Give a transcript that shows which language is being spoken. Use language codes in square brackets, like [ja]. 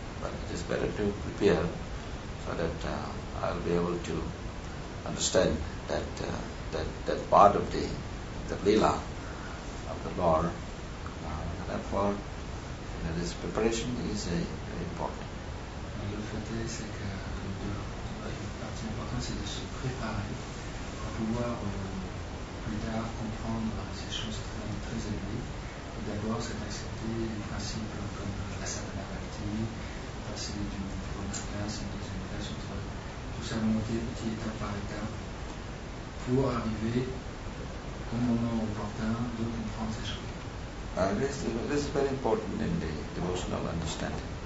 [en] But it is better to prepare so that I'll be able to understand that part of the lila of the Lord. Therefore, you know, this preparation is very important. [fr] Le fait est, c'est que une partie importante, c'est de se préparer pour pouvoir plus tard comprendre ces choses très, très élevées. Et d'abord, c'est d'accepter les principes comme la sadhana bhakti, passer d'une première classe, une deuxième classe, une troisième. Tout ça monter petit étape par étape pour arriver au moment opportun de comprendre ces choses. [en] This is very important in the devotional understanding.